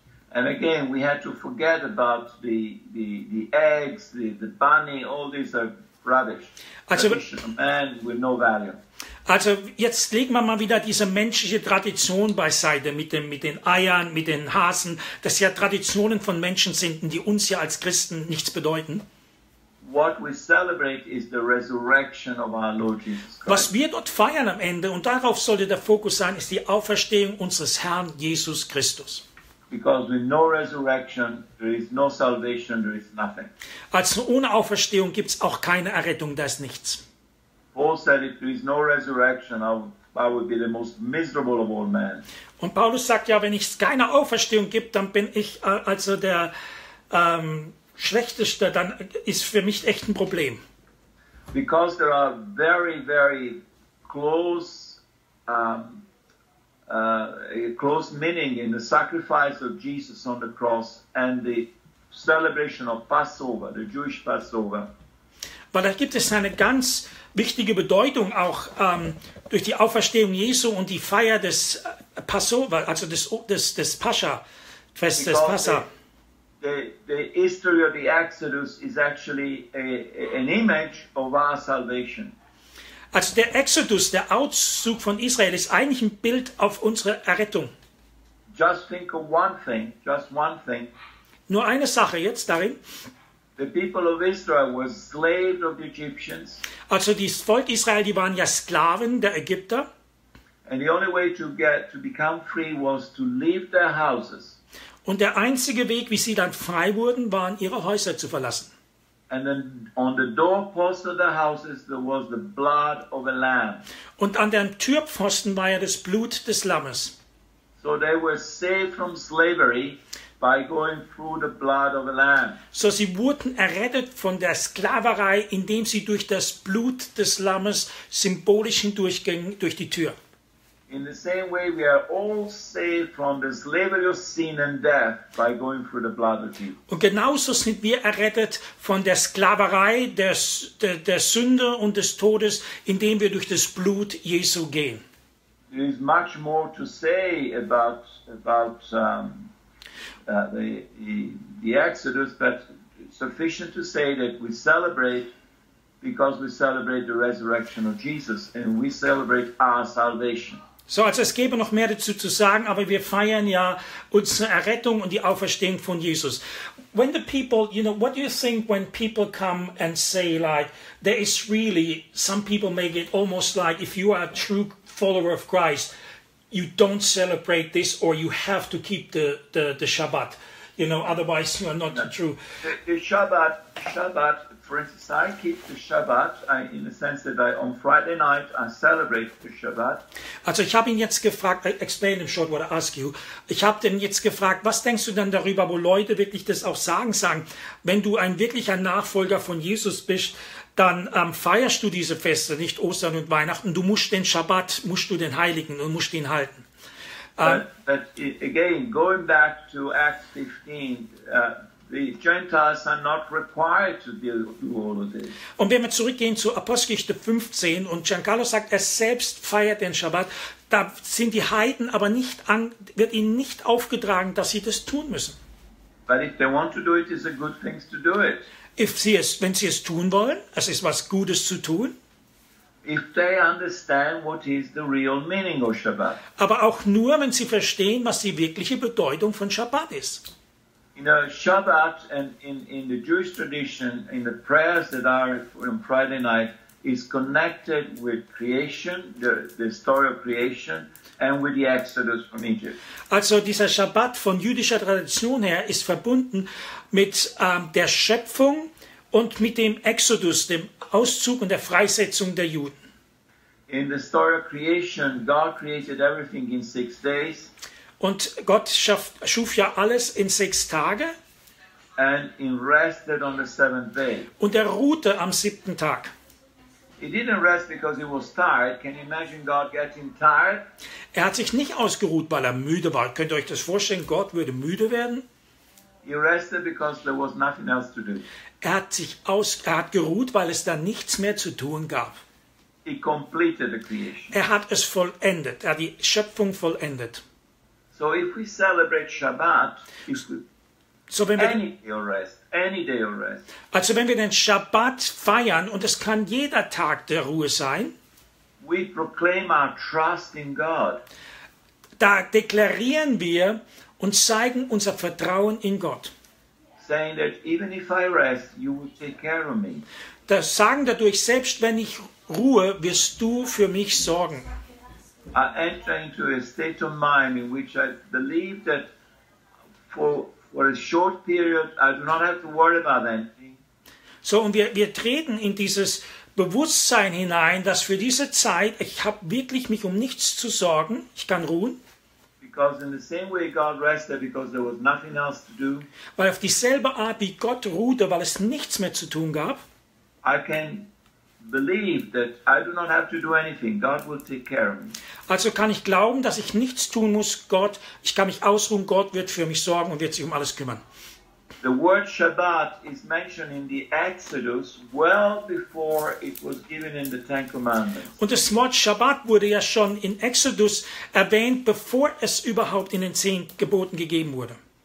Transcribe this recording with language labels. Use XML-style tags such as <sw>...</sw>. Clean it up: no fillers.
<en>And again, we had to forget about the eggs, the bunny. All these are rubbish.</en> <de>Also,</de> <en>man with no value.</en> <de>Also jetzt legen wir mal wieder diese menschliche Tradition beiseite mit den Eiern, mit den Hasen, dass ja Traditionen von Menschen sind, die uns ja als Christen nichts bedeuten.</de> <en>What we celebrate is the resurrection of our Lord Jesus Christ.</en> <de>Was wir dort feiern am Ende, und darauf sollte der Fokus sein, ist die Auferstehung unseres Herrn Jesus Christus.</de> <en>Because with no resurrection, there is no salvation, there is nothing.</en> <de>Also ohne Auferstehung gibt es auch keine Errettung, da ist nichts.</de> <en>Paul said, if there is no resurrection, I would be the most miserable of all men.</en> <de>Und Paulus sagt ja, wenn es keine Auferstehung gibt, dann bin ich also der Schlechteste, dann ist für mich echt ein Problem.</de> <en>Because there are very, very close, close meaning in the sacrifice of Jesus on the cross and the celebration of Passover, the Jewish Passover.</en> <de>Weil da gibt es eine ganz wichtige Bedeutung auch durch die Auferstehung Jesu und die Feier des Passover, also des Pascha, Fest des Pascha.</de> <en>The history of the Exodus is actually an image of our salvation.</en> <de>Also der Exodus, der Auszug von Israel, ist eigentlich ein Bild auf unsere Errettung.</de> <en>Just think of one thing, just one thing.</en> <de>Nur eine Sache jetzt darin.</de> <en>The people of Israel were slaves of the Egyptians.</en> <de>Also das Volk Israel, die waren ja Sklaven der Ägypter.</de> <en>And the only way to get to become free was to leave their houses.</en> <de>Und der einzige Weg, wie sie dann frei wurden, waren ihre Häuser zu verlassen.</de> <en>And then on the doorpost of the houses there was the blood of a lamb.</en> <de>Und an den Türpfosten war ja das Blut des Lammes.</de> <en>So they were saved from slavery by going through the blood of a lamb.</en> <de>So sie wurden errettet von der Sklaverei, indem sie durch das Blut des Lammes symbolisch hindurchgingen durch die Tür.</de> <en>In the same way we are all saved from the slavery of sin and death by going through the blood of Jesus.</en> <de>Und genauso sind wir errettet von der Sklaverei der Sünde und des Todes, indem wir durch das Blut Jesu gehen.</de> <en>There is much more to say about the Exodus, but sufficient to say that we celebrate because we celebrate the resurrection of Jesus and we celebrate our salvation.</en> <de>So, also es gäbe noch mehr dazu zu sagen, aber wir feiern ja unsere Errettung und die Auferstehung von Jesus.</de> <en>When the people, you know, what do you think when people come and say like, there is really, some people make it almost like, if you are a true follower of Christ, you don't celebrate this or you have to keep the Shabbat, you know, otherwise you are not true. The Shabbat. For instance, I keep the Shabbat in the sense that on Friday night I celebrate the Shabbat.</en> <de>Also ich habe ihn jetzt gefragt,</de> <en>explain him short what I ask you.</en> <de>Ich habe ihn jetzt gefragt, was denkst du denn darüber, wo Leute wirklich das auch sagen, wenn du ein wirklicher Nachfolger von Jesus bist, dann feierst du diese Feste, nicht Ostern und Weihnachten. Du musst den Shabbat, musst du den Heiligen und musst ihn halten.</de> <en>But again, going back to Acts 15, the Gentiles are not required to do all of this.</en> <de>Und wenn wir zurückgehen zu Apostelgeschichte 15 und Giancarlo sagt, er selbst feiert den Schabbat, da sind die Heiden aber nicht an, wird ihnen nicht aufgetragen, dass sie das tun müssen.</de> <en>But if they want to do it, it's a good thing to do it.</en> <de>Wenn sie es tun wollen, es ist was Gutes zu tun.</de> <en>If they understand what is the real meaning of Shabbat.</en> <de>Aber auch nur, wenn sie verstehen, was die wirkliche Bedeutung von Schabbat ist.</de> <en>You know, Shabbat and in the Jewish tradition, in the prayers that are on Friday night, is connected with creation, the story of creation, and with the Exodus from Egypt.</en> <de>Also dieser Shabbat von jüdischer Tradition her ist verbunden mit der Schöpfung und mit dem Exodus, dem Auszug und der Freisetzung der Juden.</de> <en>In the story of creation, God created everything in 6 days.</en> <de>Und Gott schuf ja alles in 6 Tage.</de> <en>And he rested on the 7th day.</en> <de>Und ruhte am 7. Tag.</de> <en>He didn't rest because he was tired. Can you imagine God getting tired?</en> <de>Hat sich nicht ausgeruht, weil müde war. Könnt ihr euch das vorstellen? Gott würde müde werden?</de> <en>He rested because there was nothing else to do.</en> <de>Hat geruht, weil es da nichts mehr zu tun gab.</de> <en>He completed the creation.</en> <de>Hat es vollendet. Hat die Schöpfung vollendet.</de> <en>So if we celebrate Shabbat,</en> <de>so wenn wir,</de> <en>any day of rest.</en> <de>Also wenn wir den Shabbat feiern, und es kann jeder Tag der Ruhe sein,</de> <en>we proclaim our trust in God.</en> <de>Da deklarieren wir und zeigen unser Vertrauen in Gott.</de> <en>Saying that even if I rest, you will take care of me.</en> <de>Das sagen dadurch, selbst wenn ich ruhe, wirst du für mich sorgen.</de> <en>I enter into a state of mind in which I believe that for a short period I do not have to worry about anything.</en> <de>So, und wir treten in dieses Bewusstsein hinein, dass für diese Zeit ich habe wirklich mich um nichts zu sorgen, ich kann ruhen.</de> <en>Because in the same way God rested because there was nothing else to do.</en> <de>Weil auf dieselbe Art wie Gott ruhte, weil es nichts mehr zu tun gab.</de> <en>I can believe that I do not have to do anything. God will take care of me.</en> <de>Also kann ich glauben, dass ich nichts tun muss. Gott, ich kann mich ausruhen. Gott wird für mich sorgen und wird sich um alles kümmern.</de> <en>The word Shabbat is mentioned in the Exodus well before it was given in the Ten Commandments.</en> <de>Und das Wort Shabbat wurde ja schon in Exodus erwähnt, bevor es überhaupt in den 10 Geboten gegeben wurde.</de>